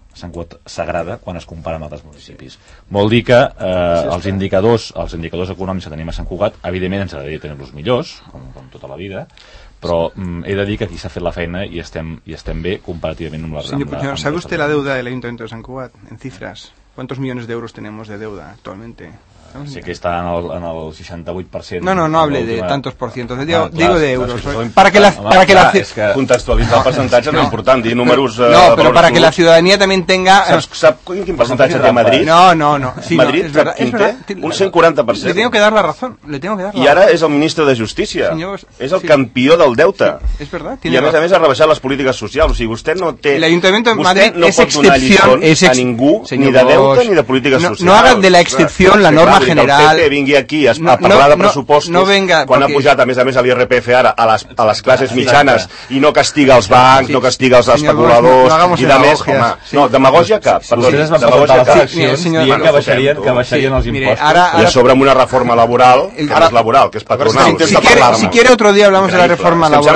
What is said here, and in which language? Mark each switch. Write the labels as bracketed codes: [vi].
[ca] S'agrada quan es compara amb altres municipis. Vol dir que els indicadors econòmics que tenim a Sant Cugat, evidentment ens agradaria tenir-los millors, com tota la vida, però he de dir que aquí s'ha fet la feina i estem bé comparativament amb la... [es] Senyor Puigneró, ¿sabe usted la deuda de l'Ajuntament de Sant Cugat, en cifras? ¿Cuántos millones de euros tenemos de deuda actualmente? [ca] Sé que està en el 68%. [es] No hable de tantos porcentos, digo de euros. Para que la [ca] contextualitzar el percentatge és important, dir números... [es] No, però para que la ciudadanía también tenga... [ca] Sap quin percentatge té Madrid? No. Madrid, quin té? Un 140%. [es] Le tengo que dar la razón. [ca] I ara és el ministre de Justícia. És el campió del deute. És [es] verdad. [ca] I a més ha rebaixat les polítiques socials. O sigui, vostè no té... L'Ajuntament de Madrid no pot donar lliçons a ningú, ni de deute ni de polítiques socials. [es] No haga de la excepción la norma general. [ca] Que vingui aquí a parlar de pressupostos quan ha pujat a més a l'IRPF ara a les classes mitjanes i no castiga els bancs, no castiga els especuladors i de més, home, no, demagògia cap. Vostès es van portar les eleccions dient que baixarien els impostos i a sobre amb una reforma laboral, ara és laboral, que és patronal. [es] Si quiere otro día hablamos de la reforma laboral.